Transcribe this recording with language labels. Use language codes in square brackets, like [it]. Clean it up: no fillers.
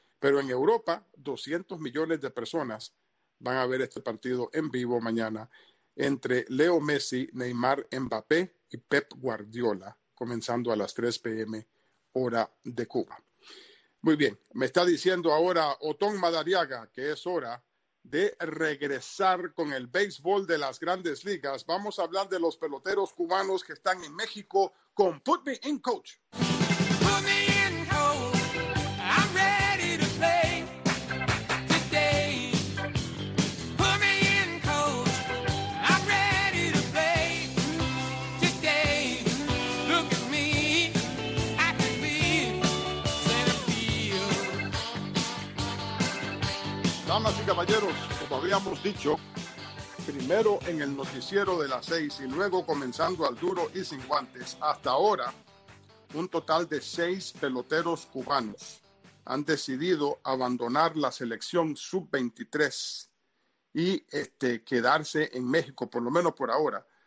[es] Pero en Europa, 200 millones de personas van a ver este partido en vivo mañana entre Leo Messi, Neymar, Mbappé y Pep Guardiola, comenzando a las 3 p.m. hora de Cuba. Muy bien, me está diciendo ahora Otón Madariaga que es hora de regresar con el béisbol de las grandes ligas. Vamos a hablar de los peloteros cubanos que están en México con Put Me In Coach. [en] Put me in coach, I'm ready to play today. Put me in coach, I'm ready to play today. Look at me, I can be center field. [es] Damas y caballeros, como habíamos dicho, primero en el noticiero de las 6 y luego comenzando al duro y sin guantes. Hasta ahora, un total de 6 peloteros cubanos han decidido abandonar la selección sub-23 y quedarse en México, por lo menos por ahora.